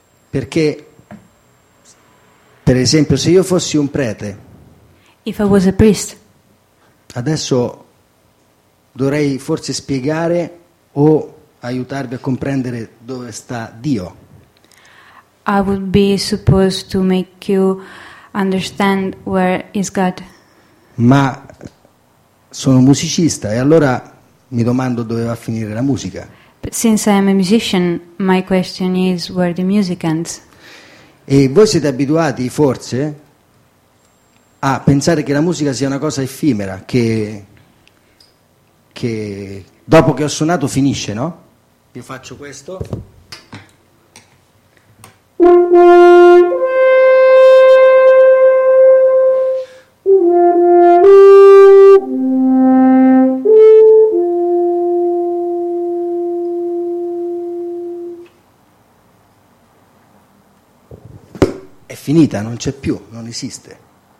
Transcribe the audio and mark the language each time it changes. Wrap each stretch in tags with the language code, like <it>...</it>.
<it>Perché, per esempio, se io fossi un prete,</it> <en>if I was a priest,</en> <it>adesso dovrei forse spiegare o aiutarvi a comprendere dove sta Dio.</it> <en>I would be supposed to make you understand where is God.</en> <it>Ma sono musicista e allora mi domando dove va a finire la musica.</it> <en>But since I am a musician, my question is where the music ends.</en> <it>E voi siete abituati forse a pensare che la musica sia una cosa effimera, che dopo che ho suonato finisce, no? Io faccio questo. È finita, non c'è più, non esiste.</it>